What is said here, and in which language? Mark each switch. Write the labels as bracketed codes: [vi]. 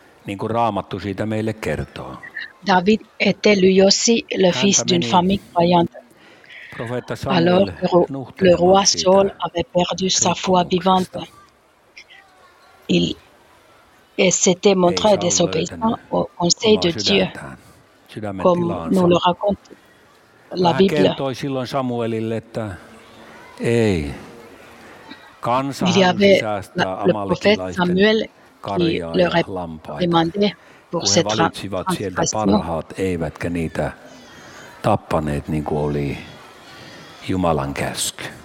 [fi] Niin kuin Raamattu siitä meille kertoo. [fr] David était lui aussi le fils d'une famille croyante. [fi] Profeetta [fr] Samuel, alors le roi Saul avait perdu sa foi vivante. Il s'était montré désobéissant au conseil de Dieu, comme nous le raconte. La Bible. [fi] Hän kertoi silloin Samuelille, että ei, kansa hän säästää amalekilaisten karjaa ja lampaita, kun he valitsivat sieltä parhaat, eivätkä niitä tappaneet, niin kuin oli Jumalan käsky.